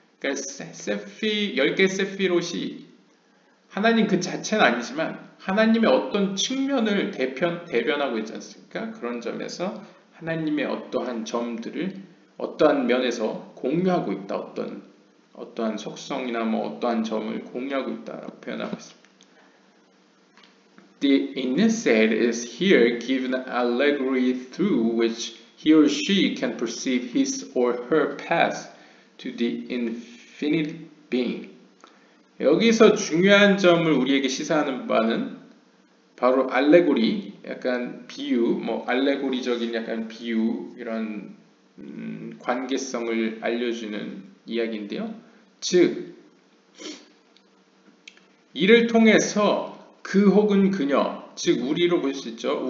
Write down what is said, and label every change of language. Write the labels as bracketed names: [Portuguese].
[Korean] 그러니까 10개의 세피롯이 하나님 그 자체는 아니지만 하나님의 어떤 측면을 대변하고 있지 않습니까? 그런 점에서 하나님의 어떠한 점들을 어떠한 면에서 공유하고 있다. 어떠한 속성이나 뭐 어떠한 점을 공유하고 있다라고 표현하고 있습니다. [English] The innocent is here given allegory through which he or she can perceive his or her path to the infinite being. [Korean] 여기서 중요한 점을 우리에게 시사하는 바는 바로 알레고리, 약간 비유, 뭐 알레고리적인 약간 비유 이런 관계성을 알려주는 이야기인데요. 즉, 이를 통해서 그 혹은 그녀, 즉 우리로 볼수 있죠.